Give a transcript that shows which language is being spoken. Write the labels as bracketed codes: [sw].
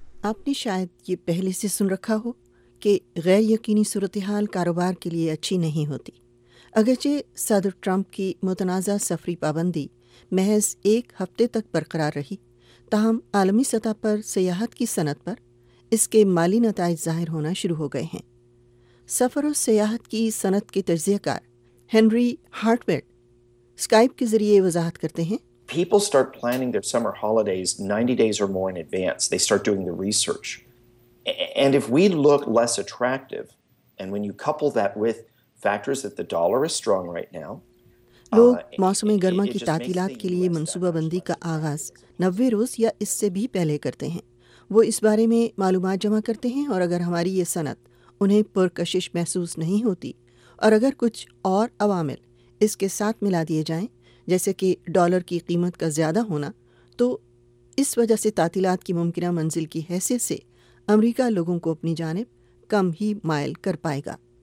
[ur] آپ نے شاید یہ پہلے سے سن رکھا ہو کہ غیر یقینی صورتحال کاروبار کے لیے اچھی نہیں ہوتی۔ اگرچہ صدر ٹرمپ کی متنازع سفری پابندی محض ایک ہفتے تک برقرار رہی، تاہم عالمی سطح پر سیاحت کی صنعت پر اس کے مالی نتائج ظاہر ہونا شروع ہو گئے ہیں۔ سفر و سیاحت کی صنعت کے تجزیہ کار ہنری ہارٹویڈ اسکائپ کے ذریعے وضاحت کرتے ہیں۔ [en] People start planning their summer holidays 90 days or more in advance. They start doing the research. And if we look less attractive, and when you couple that with factors that the dollar is strong right now, [ur] لوگ موسم گرما کی تعطیلات کے لیے منصوبہ بندی کا آغاز 90 روز یا اس سے بھی پہلے کرتے ہیں۔ وہ اس بارے میں معلومات جمع کرتے ہیں، اور اگر ہماری یہ صنعت انہیں پرکشش محسوس نہیں ہوتی، اور اگر کچھ اور عوامل اس کے ساتھ ملا دیے جائیں جیسے کہ ڈالر کی قیمت کا زیادہ ہونا، تو اس وجہ سے تعطیلات کی ممکنہ منزل کی حیثیت سے امریکہ لوگوں کو اپنی جانب کم ہی مائل کر پائے گا۔